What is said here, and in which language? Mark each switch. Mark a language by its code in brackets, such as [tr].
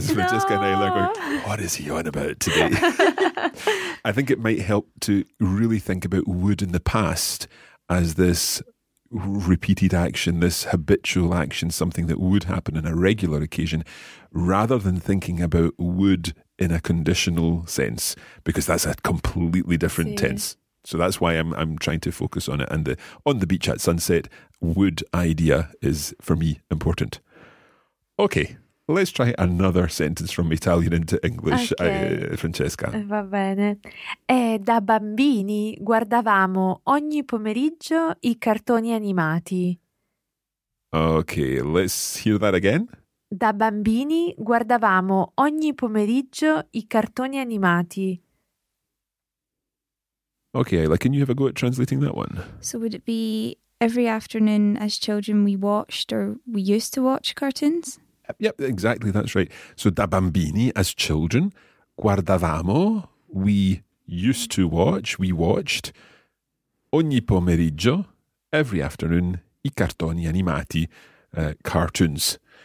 [en] Francesca and I are going, what is he on about today? I think it might help to really think about would in the past as this repeated action, this habitual action, something that would happen on a regular occasion, rather than thinking about would in a conditional sense, because that's a completely different tense. So that's why I'm trying to focus on it. And the on the beach at sunset would idea is, for me, important. Okay, let's try another sentence from Italian into English, okay. Francesca. [it] Va bene. Da bambini guardavamo ogni pomeriggio i cartoni animati. [en] Okay, let's hear that again. [it] Da bambini guardavamo ogni pomeriggio i cartoni animati. [en] Okay, Ayla, can you have a go at translating that one? So would it be every afternoon as children we watched, or we used to watch, cartoons? Yep, exactly, that's right. So [it] da bambini, [en] as children, guardavamo, we used to watch, we watched, [it] ogni pomeriggio, [en] every afternoon, [it] i cartoni animati, [en] cartoons.